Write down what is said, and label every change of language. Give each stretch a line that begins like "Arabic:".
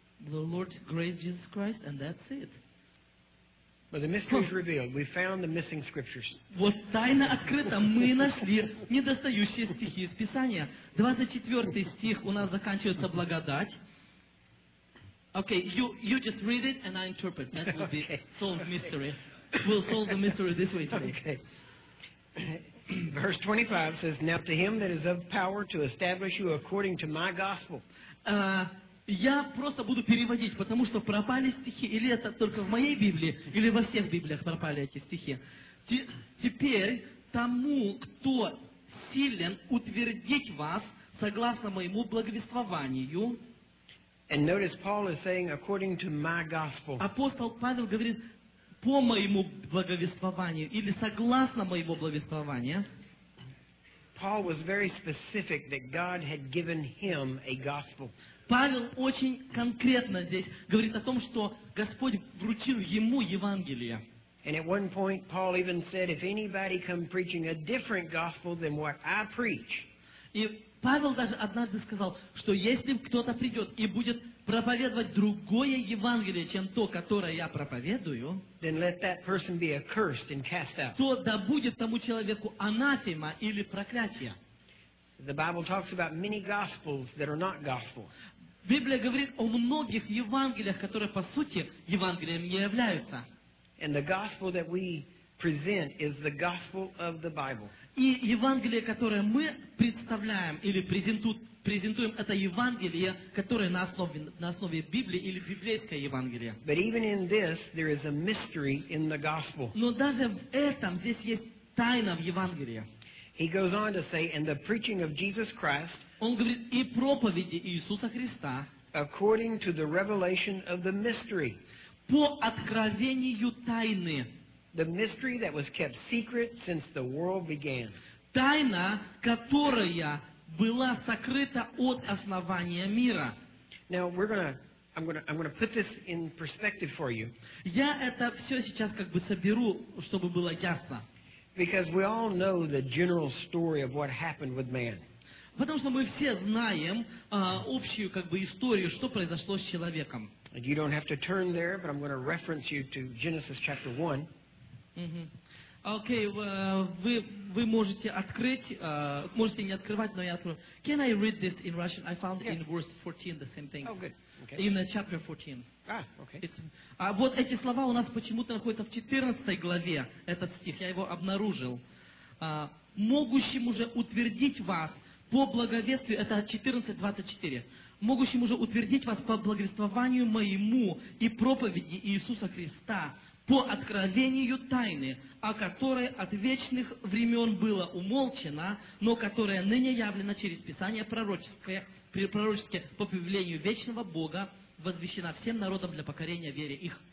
English: The Lord's grace, Jesus Christ, and that's it. But the mystery is revealed. We found the missing scriptures.
Russian: Вот тайна открыта. Мы нашли недостающие стихи из Писания. 24 стих у нас заканчивается благодать.
English: Okay, you just read it and I interpret. That will be solved mystery. We'll solve the mystery this way today. Okay. Verse 25 says, Now to him that is of power to establish you according to my gospel.
Russian: Я просто буду переводить, потому что пропали стихи, или это только в моей Библии, или во всех Библиях пропали эти стихи. Теперь тому, кто силен утвердить вас согласно моему благовествованию,
English: And notice Paul is saying, according to my gospel.
Russian: Апостол Павел говорит, по моему благовествованию или согласно моему благовествованию.
English: Paul was very specific that God had given him a gospel.
Russian: Павел очень конкретно здесь говорит о том, что Господь вручил ему Евангелие.
English: And at one point Paul even said, if anybody come preaching a different gospel than what I preach.
Russian: И Павел даже однажды сказал, что если кто-то придет и будет проповедовать другое Евангелие, чем то, которое я проповедую,
English: Then let that person be accursed and cast out.
Russian: То да будет тому человеку анафема или проклятие.
English: The Bible talks about many gospels that are not gospel.
Russian: Библия говорит о многих Евангелиях, которые по сути Евангелием не являются.
English: And the gospel that we present is the gospel of the Bible.
Russian: И Евангелие, которое мы представляем или презентуем, это Евангелие, которое на основе Библии или библейское Евангелие.
English: But even in this, there is a mystery in the gospel.
Russian: Но даже в этом здесь есть тайна в Евангелии.
English: He goes on to say, "And the preaching of Jesus Christ."
Russian: Он говорит и проповеди Иисуса Христа.
English: According to the revelation of the mystery.
Russian: По откровению тайны.
English: The mystery that was kept secret since the world began.
Russian: Тайна, которая была сокрыта от основания мира.
English: Now we're gonna, I'm gonna put this in perspective for you.
Russian: Я это все сейчас как бы соберу, чтобы было ясно.
English: Because we all know the general story of what happened with man.
Russian: Потому что мы все знаем общую как бы историю, что произошло с человеком.
English: And you don't have to turn there, but I'm going to reference you to Genesis chapter 1. Mm-hmm.
Russian: Okay, вы можете открыть, можете не открывать, но я открою.
English: Can I read this in Russian? I found in verse 14 the same thing. Oh, good. Okay. In chapter 14. Ah, okay.
Russian: Вот эти слова у нас почему-то находятся в 14 главе, этот стих, я его обнаружил. Могущим уже утвердить вас по благовествию, это 14:24. Могущим уже утвердить вас по благовествованию моему и проповеди Иисуса Христа, по откровению тайны, о которой от вечных времен было умолчено, но которая ныне явлена через Писание пророческое, при пророчестве по повелению вечного Бога, возвещена всем народам для покорения вере их.